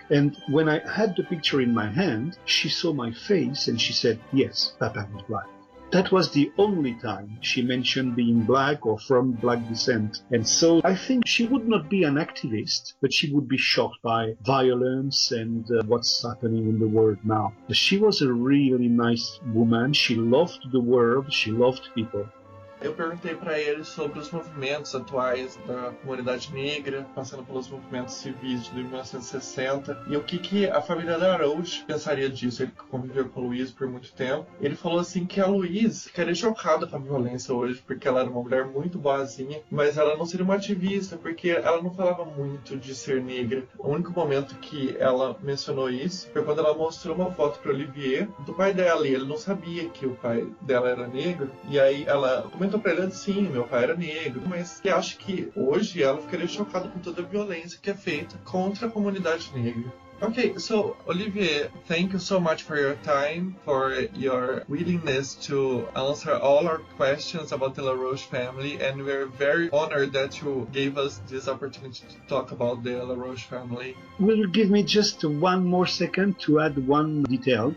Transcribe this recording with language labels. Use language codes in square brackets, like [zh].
[en] And when I had the picture in my hand, she saw my face and she said, yes, Papa was black. That was the only time she mentioned being black or from black descent. And so I think she would not be an activist, but she would be shocked by violence and what's happening in the world now. She was a really nice woman. She loved the world. She loved people. [pt] Eu perguntei para ele sobre os movimentos atuais da comunidade negra, passando pelos movimentos civis de 1960, e o que, que a família da Arouche pensaria disso. Ele conviveu com a Louise por muito tempo. Ele falou assim que a Louise ficaria chocada com a violência hoje, porque ela era uma mulher muito boazinha, mas ela não seria uma ativista, porque ela não falava muito de ser negra. O único momento que ela mencionou isso foi quando ela mostrou uma foto para Olivier do pai dela, e ele não sabia que o pai dela era negro, e aí ela... comentou pra ele assim, meu pai era negro, mas que acha que hoje ela ficaria chocada com toda a violência que é feita contra a comunidade negra. [en] Ok, so, Olivier, thank you so much for your time, for your willingness to answer all our questions about the LaRouche family, and we're very honored that you gave us this opportunity to talk about the LaRouche family. Will you give me just one more second to add one detail?